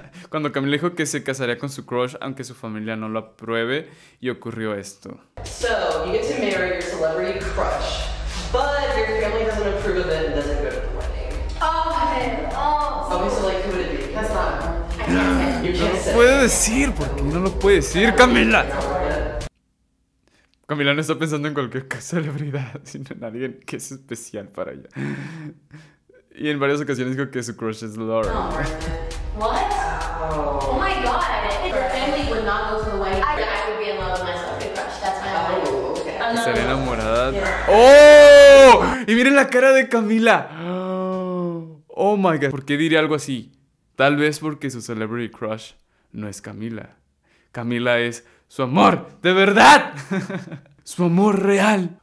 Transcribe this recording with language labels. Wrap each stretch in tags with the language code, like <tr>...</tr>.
<es>Cuando Camila dijo que se casaría con su crush aunque su familia no lo apruebe, y ocurrió esto.</es> <en>So, you get to marry your celebrity crush, but your family doesn't approve of it and doesn't go to the wedding. Oh, okay. So, like, who would it be? That's not.</en> <es>No lo puede decir, porque no lo puede decir, Camila. Camila no está pensando en cualquier celebridad, sino en alguien que es especial para ella. Y en varias ocasiones dijo que su crush es Laura.</es> <en>What? Oh my god. If her family would not go to the wedding, I would be in love with my celebrity crush. That's my</en> <es>idea. Sería enamorada. ¡Oh! Y miren la cara de Camila.</es> <en>Oh my god.</en> <es>¿Por qué diría algo así? Tal vez porque su</es> <en>celebrity crush</en> <es>no es Camila. Camila es su amor, de verdad. Su amor real.</es>